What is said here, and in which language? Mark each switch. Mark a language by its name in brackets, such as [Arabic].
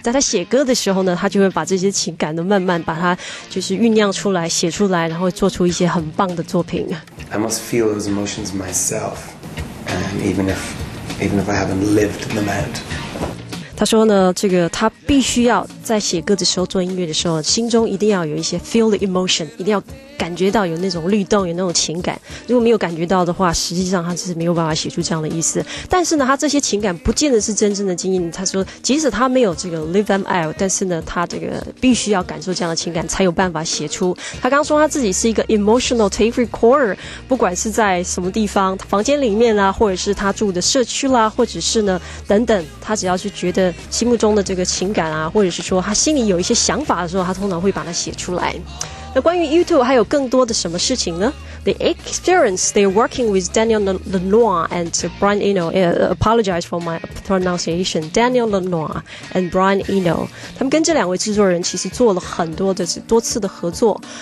[Chinese] 在他写歌的时候呢，他就会把这些情感都慢慢把它就是酝酿出来写出来，然后做出一些很棒的作品。 [English] I must feel those emotions myself, and even if I haven't lived them out。 [Chinese] 他说呢，这个他必须要在写歌的时候，做音乐的时候，心中一定要有一些 [English] feel the emotion， [Chinese] 一定要感觉到有那种律动，有那种情感。如果没有感觉到的话，实际上他是没有办法写出这样的意思。但是呢，他这些情感不见得是真正的经验。他说即使他没有这个 [English] live them out， [Chinese] 但是呢，他这个必须要感受这样的情感才有办法写出。他刚说他自己是一个 [English] emotional tape recorder， [Chinese] 不管是在什么地方，房间里面啊，或者是他住的社区啦，或者是呢等等，他只要是觉得心目中的这个情感啊，或者是说他心里有一些想法的时候，他通常会把它写出来。那关于 YouTube 还有更多的什么事情呢？ [English] The experience they're working with Daniel Lanois and Brian Eno. Apologize for my pronunciation. Daniel Lanois and Brian Eno. [Chinese] 他们跟这两位制作人其实做了很多的多次的合作。